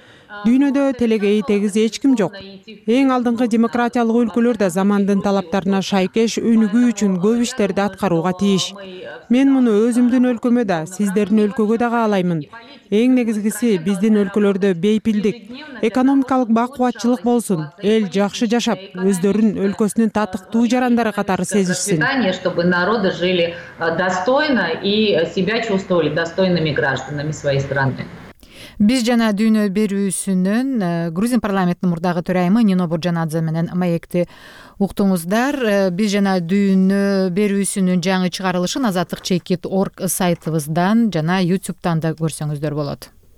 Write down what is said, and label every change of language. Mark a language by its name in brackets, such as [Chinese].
[Kyrgyz] Дүйнөдө телегей тегиз эч ким жок. Эң алдыңкы демократиялык өлкөлөр да замандын талаптарына шайкеш өнүгүү үчүн көп иштерди аткарууга тийиш. Мен муну өзүмдүн өлкөмө да, сиздердин өлкөгө да каалаймын. Эң негизгиси биздин өлкөлөрдө бейпилдик, экономикалык бакубатчылык болсун, эл жакшы жашап, өздөрүн өлкөсүнүн татыктуу жарандары катары сезишсин. [Russian] Чтобы народы жили достойно и себя чувствовали достойными гражданами своей страны. [Kyrgyz] Биз жана дүйнө берүүсүнүн грузин парламентинин мурдагы төрайымы Нино Буржанадзе менен маекти уктуңуздар. Биз жана дүйнө берүүсүнүн жаңы чыгарылышын Азаттык Чекит орг сайтыбыздан жана YouTube-тан да көрсөңүздөр болот.